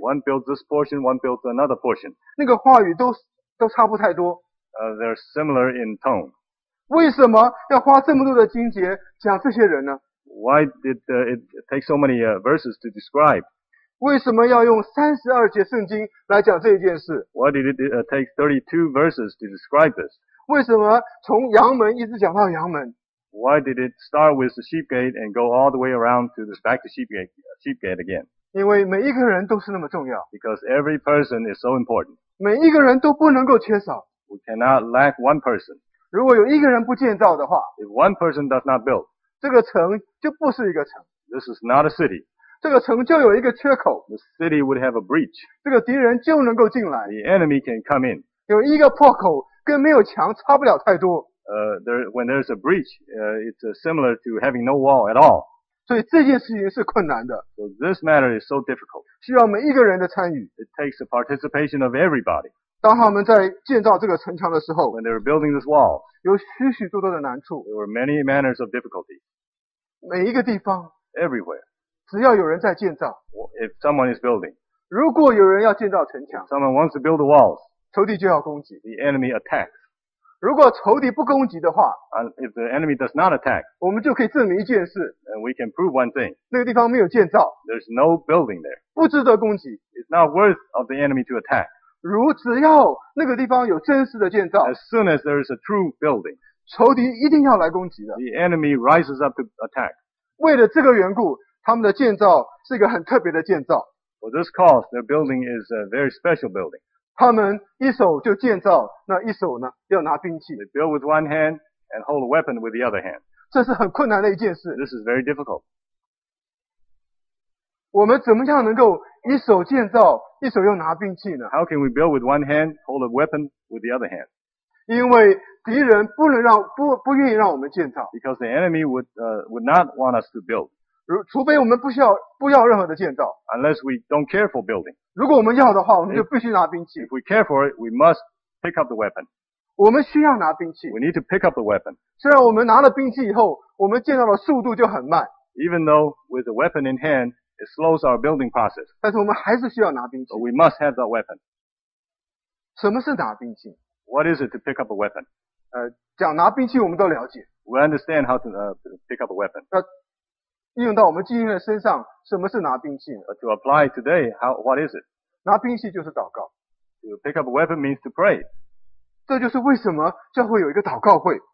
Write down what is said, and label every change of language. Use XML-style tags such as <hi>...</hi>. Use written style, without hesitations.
<en>One builds this portion, one builds another portion.</en> <zh>那个话语都差不太多。</zh> <en>They're similar in tone.</en> <zh>为什么要花这么多的经节讲这些人呢？</zh> <en>Why did it take so many verses to describe?</en> <zh>为什么要用32节圣经来讲这一件事？</zh> <en>Why did it take 32 verses to describe this?</en> <zh>为什么从羊门一直讲到羊门？</zh> <en>Why did it start with the sheep gate and go all the way around to this back to sheep gate again?</en> <zh>因为每一个人都是那么重要。</zh> <en>Because every person is so important.</en> <zh>每一个人都不能够缺少。</zh> <en>We cannot lack one person.</en> <zh>如果有一个人不建造的话，</zh> <en>if one person does not build,</en> <zh>这个城就不是一个城。</zh> <en>This is not a city.</en> <zh>这个城就有一个缺口。</zh> <en>The city would have a breach.</en> <zh>这个敌人就能够进来。</zh> <en>The enemy can come in.</en> <zh>有一个破口跟没有墙差不了太多。</zh> <en>When there's a breach, it's similar to having no wall at all.</en> <zh>所以这件事情是困难的。</zh> <en>So this matter is so difficult.</en> <zh>需要每一个人的参与。</zh> <en>It takes the participation of everybody.</en> <zh>当他们在建造这个城墙的时候，</zh> <en>when they were building this wall,</en> <zh>有许许多多的难处。</zh> <en>There were many manners of difficulty.</en> <zh>每一个地方。</zh> <en>Everywhere.</en> <zh>只要有人在建造。</zh> <en>If someone is building.</en> <zh>如果有人要建造城墙。</zh> <en>Someone wants to build the walls.</en> <zh>仇敌就要攻击。</zh> <en>The enemy attacks.</en> <zh>如果仇敌不攻击的话。</zh> <en>If the enemy does not attack.</en> <zh>我们就可以证明一件事。</zh> <en>And we can prove one thing.</en> <zh>那个地方没有建造。</zh> <en>There's no building there.</en> <zh>不值得攻击。</zh> <en>It's not worth of the enemy to attack.</en> <zh>如只要那个地方有真实的建造。</zh> <en>As soon as there is a true building.</en> <zh>仇敌一定要来攻击的。</zh> <en>The enemy rises up to attack.</en> <zh>为了这个缘故，他们的建造是一个很特别的建造。</zh> <en>For this cause, their building is a very special building.</en> <zh>他们一手就建造，那一手呢，要拿兵器。</zh> <en>They build with one hand and hold a weapon with the other hand.</en> <zh>这是很困难的一件事。</zh> <en>This is very difficult.</en> <zh>我们怎么样能够一手建造，一手又拿兵器呢？</zh> <en>How can we build with one hand, hold a weapon with the other hand?</en> <zh>因为敌人不能让不愿意让我们建造。</zh> <en>Because the enemy would not want us to build.</en> <zh>除非我们不要任何的建造。</zh> <en>Unless we don't care for building.</en> <zh>如果我们要的话，我们就必须拿兵器。</zh> <en>If we care for it, we must pick up the weapon.</en> <zh>我们需要拿兵器。</zh> <en>We need to pick up the weapon.</en> <zh>虽然我们拿了兵器以后，我们建造的速度就很慢。</zh> <en>Even though with the weapon in hand, it slows our building process.</en> <zh>但是我们还是需要拿兵器。</zh> <en>But we must have that weapon.</en> <zh>什么是拿兵器？</zh> <en>What is it to pick up a weapon?</en> <zh>讲拿兵器我们都了解。</zh> <en>We understand how to pick up a weapon.</en> <zh>那应用到我们今天的身上，什么是拿兵器呢？</zh> <en>To apply today, what is it?</en> <zh>拿兵器就是祷告。</zh> <en>To pick up a weapon means to pray.</en> <zh>这就是为什么教会有一个祷告会。</zh>